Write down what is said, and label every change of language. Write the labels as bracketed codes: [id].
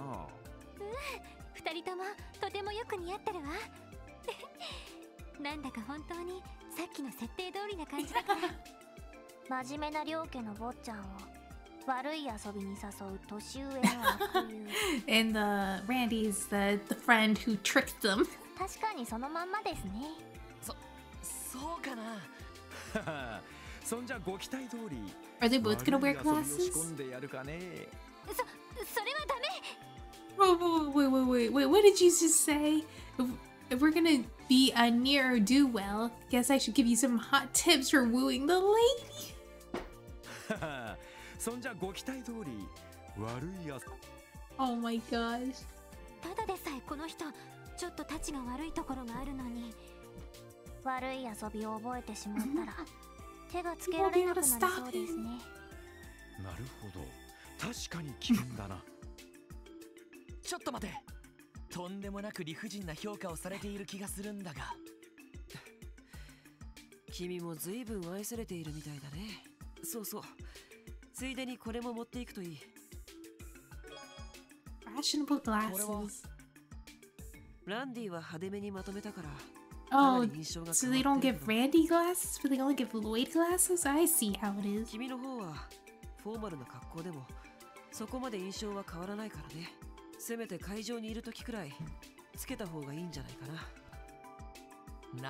[ja] うん、二人ともとてもよく似合ってるわ。なんだか本当にさっきの設定通りな感じだから。真面目な両家の坊ちゃんを悪い遊びに誘う年上の悪友。 [en] And the Randy's the friend who tricked them. [ja] 確かにそのまんまですね。そうかな。そんじゃご期待通り。 [en] Are they both gonna wear glasses? [ja] 仕込んでやるかね。それはダメ。 [en] Wait, what did you just say? If we're gonna be a near do-well, guess I should give you some hot tips for wooing the lady? [ja] そんじゃご期待通り、悪いやつ。 [en] Oh my gosh. [ja] ただでさえこの人、ちょっとたちが悪いところがあるのに、悪い遊びを覚えてしまったら、手がつけられなくなりそうですね。なるほど。確かに気分だな。ちょっと待て、とんでもなく理不尽な評価をされている気がするんだが。君も随分愛されているみたいだね。そうそう、ついでにこれも持っていくといい。 [en] Fashionable glasses。 [ja] これはランディは派手めにまとめたから。 [en] Oh, so they don't give Randy glasses, but they only give Lloyd glasses? I see how it is. [ja] 君の方はフォーマルな格好でもそこまで印象は変わらないからね。せめて会場にいる時くらいつけた方がいいんじゃないかな。